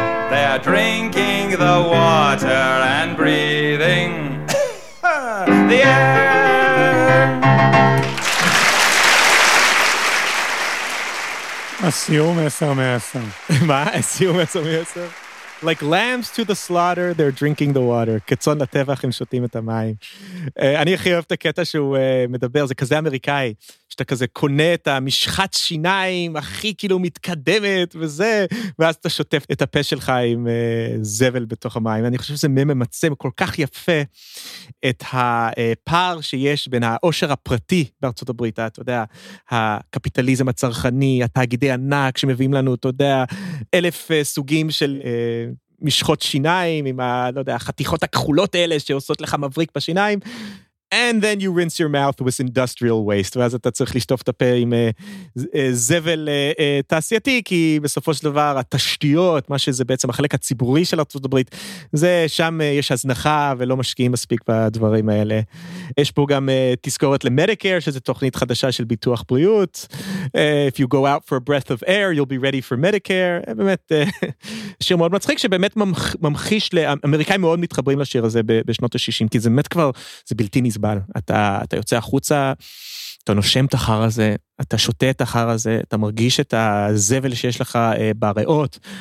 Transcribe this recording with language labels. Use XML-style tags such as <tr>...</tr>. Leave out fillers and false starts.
<en>They're drinking the water and breathing the air.</en> <he>הסיום 10 מ-10. מה? הסיום 10 מ-10?</he> <en>Like lambs to the slaughter, they're drinking the water.</en> <he>כצון לטבח הם שותים את המים. אני הכי אוהב את הקטע שהוא מדבר, זה כזה אמריקאי, שאתה כזה קונה את המשחת שיניים, הכי כאילו מתקדמת וזה, ואז אתה שוטף את הפה שלך עם זבל בתוך המים. אני חושב שזה ממצא כל כך יפה את הפער שיש בין העושר הפרטי בארצות הברית, אתה יודע, הקפיטליזם הצרכני, התאגידי ענק שמביאים לנו, אתה יודע, 1,000 סוגים של משחות שיניים, עם ה, לא יודע, החתיכות הכחולות האלה שעושות לך מבריק בשיניים,</he> <en>and then you rinse your mouth with industrial waste.</en> <he>ואז אתה צריך לשטוף את הפה עם זבל תעשייתי, כי בסופו של דבר התשתיות, מה שזה בעצם החלק הציבורי של ארצות הברית, זה שם יש הזנחה ולא משקיעים מספיק בדברים האלה. יש פה גם תזכורת למדיקר, שזה תוכנית חדשה של ביטוח בריאות.</he> <en>If you go out for a breath of air, you'll be ready for Medicare.</en> <he>באמת, שיר מאוד מצחיק, שבאמת ממחיש, אמריקאים מאוד מתחברים לשיר הזה בשנות ה-60, כי זה באמת כבר, זה בלתי נסבל. אתה יוצא החוצה, אתה נושם את החר הזה, אתה שותה את החר הזה, אתה מרגיש את הזבל שיש לך בריאות.</he>